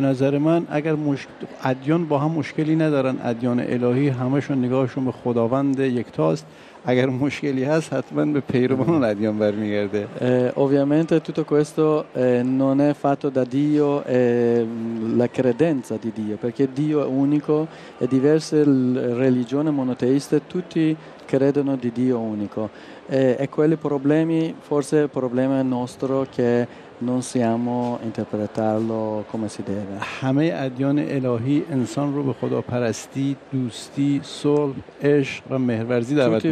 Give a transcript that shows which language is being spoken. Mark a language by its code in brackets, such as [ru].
[fa] نظر من اگر ادیان با هم مشکلی ندارن، ادیان الهی همشون نگاهشون به خداوند یکتاست، اگر مشکلی هست حتما به پیروان ادیان برمیگرده. [it] Ovviamente tutto questo non è fatto da Dio e la credenza di Dio, perché Dio è unico e diverse religioni monoteiste tutti credono di Dio unico. E quei problemi forse è problema nostro che non siamo interpretarlo come si deve. [fa] همه ادیان الهی انسان رو به خداپرستی، دوستی، صلح، عشق و مهربانی دعوت میکنه.